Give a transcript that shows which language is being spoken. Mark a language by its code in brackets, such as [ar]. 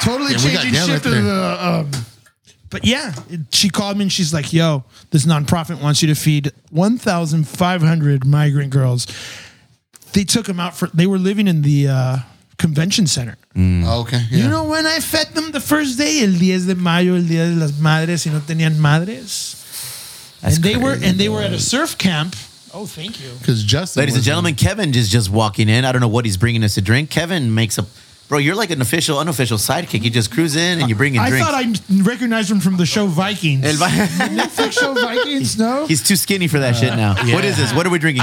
[en] Totally changing shit to the... But yeah, she called me and she's like, yo, this nonprofit wants you to feed 1,500 migrant girls. They took them out they were living in the convention center. Mm. Okay. Yeah. You know when I fed them the first day? [es] El 10 de mayo, el día de las madres, y no tenían madres. [en] That's and they were at a surf camp. Oh, thank you. Because Justin. Ladies and gentlemen, Kevin is just walking in. I don't know what he's bringing us to drink. Kevin makes a... Bro, you're like an official, unofficial sidekick. You just cruise in and you bring in drinks. I thought I recognized him from the show Vikings. Netflix show Vikings, no? He's too skinny for that shit now. Yeah. What is this? What are we drinking,